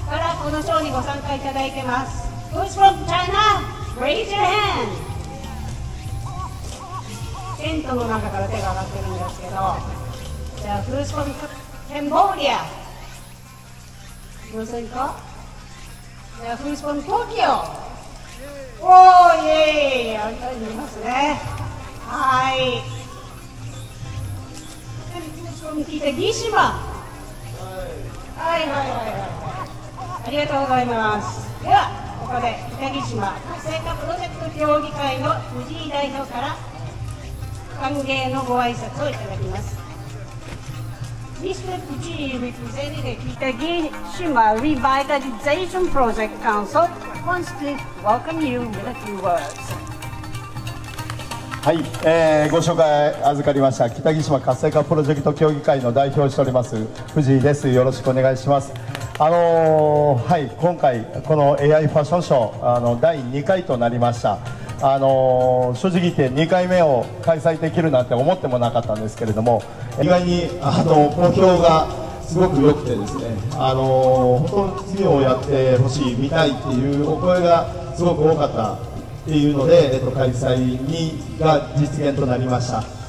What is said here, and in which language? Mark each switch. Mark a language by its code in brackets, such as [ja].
[ja] 各国からこのショーにご参加いただいてます。 [en] Who's from China? Raise your hand! [ja] テントの中から手が上がってるんですけど、じゃあ [en] Who's from Cambodia? [ja] どうするか? [en] じゃあ Who's from Tokyo? [ja] おー、イエーイ!あんたに見ますね。はい。 [en] Who's from Kitagishima? [ja] はいはいはい、ありがとうございます。ではここで北木島活性化プロジェクト協議会の藤井代表から歓迎のご挨拶をいただきます。 [en] Mr. Fujii represented 北木島 Revitalization Project Council wants to welcome you with a few words。 [ja] はい、ご紹介預かりました北木島活性化プロジェクト協議会の代表をしております藤井です。よろしくお願いします。はい、今回この AI ファッションショー第2回となりました。正直言って2回目を開催できるなんて思ってもなかったんですけれども、意外に目標がすごく良くてですね、本当に次をやってほしい、見たいっていうお声がすごく多かったっていうので、開催にが実現となりました。